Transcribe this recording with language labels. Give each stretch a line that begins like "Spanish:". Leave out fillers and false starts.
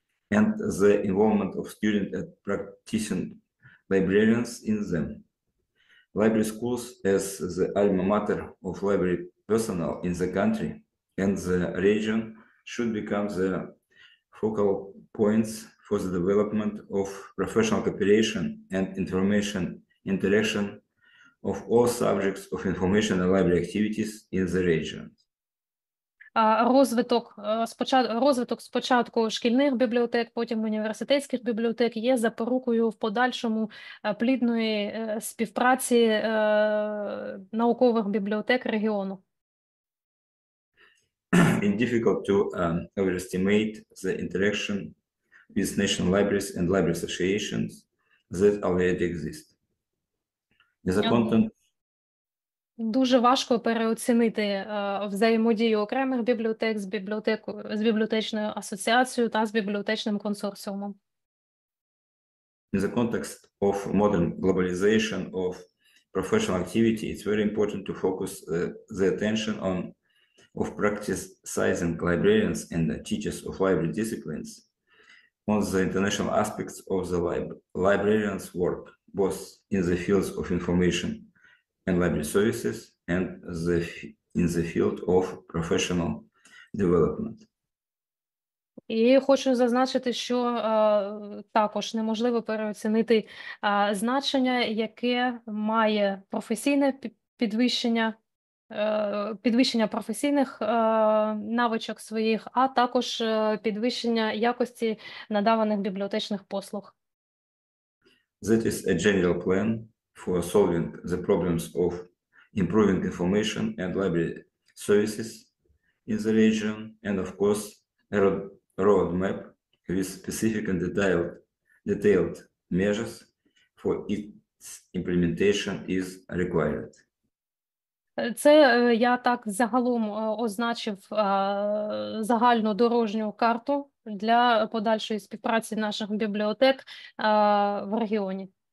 English: And the involvement of student and practicing librarians in them. Library schools as the alma mater of library personnel in the country and the region should become the focal points for the development of professional cooperation and information interaction of all subjects of information and library activities in the region.
Ukrainian: Розвиток спочатку шкільних бібліотек, потім університетських бібліотек є запорукою в подальшому плідної співпраці наукових бібліотек регіону.
English: It's difficult to overestimate the interaction with national libraries and library associations that already exist.
Ukrainian: Дуже важко переоцінити взаємодію окремих бібліотек з бібліотечною асоціацією та з бібліотечним консорціумом.
English: In the context of modern globalization of professional activity, it's very important to focus the attention on of practice sizing librarians and the teachers of library disciplines on the international aspects of the librarian's work, both in the fields of information and library services and in the field of professional development.
Ukrainian: І хочу зазначити, що також неможливо переоцінити значення, яке має професійне підвищення, підвищення професійних навичок своїх, а також підвищення якості надаваних бібліотечних послуг.
English: That is a general plan for solving the problems of improving information and library services in the region, and of course, roadmap with specific and detailed measures for its implementation is required.
Ukrainian: Це я так загалом означив загальну дорожню карту для подальшої співпраці наших бібліотек в регіоні.